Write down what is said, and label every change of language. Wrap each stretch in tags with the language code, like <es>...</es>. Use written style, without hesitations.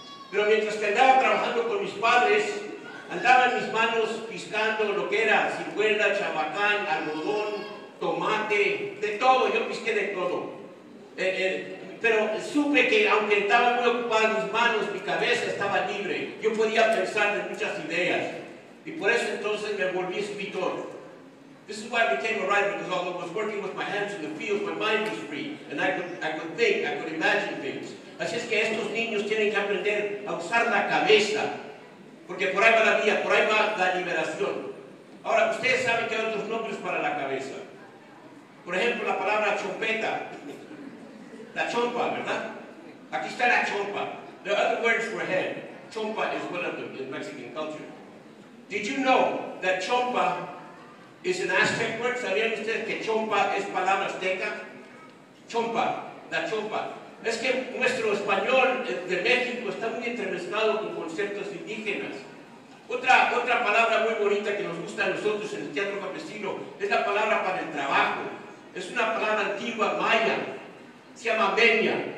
<es>Pero mientras que andaba trabajando con mis padres, andaba en mis manos piscando lo que era ciruela, chabacán, algodón, tomate, de todo, yo pisqué de todo. Pero supe que aunque estaba muy ocupada mis manos, mi cabeza estaba libre. Yo podía pensar de muchas ideas. Y por eso entonces me volví escritor.</es> <en>This is why I became a writer, because although I was working with my hands in the field, my mind was free. And I could think, I could imagine things.</en> <es>Así es que estos niños tienen que aprender a usar la cabeza. Porque por ahí va la vía, por ahí va la liberación. Ahora, ustedes saben que hay otros nombres para la cabeza. Por ejemplo, la palabra chompeta. La chompa, ¿verdad? Aquí está la chompa.</es> <en>There are other words for head. Chompa is one of them in Mexican culture. Did you know that chompa is an Aztec word?</en> <es>¿Sabían ustedes que chompa es palabra azteca? Chompa, la chompa. Es que nuestro español de México está muy entremezclado con conceptos indígenas. Otra palabra muy bonita que nos gusta a nosotros en el teatro campesino es la palabra para el trabajo. Es una palabra antigua maya, se llama Benya.</es>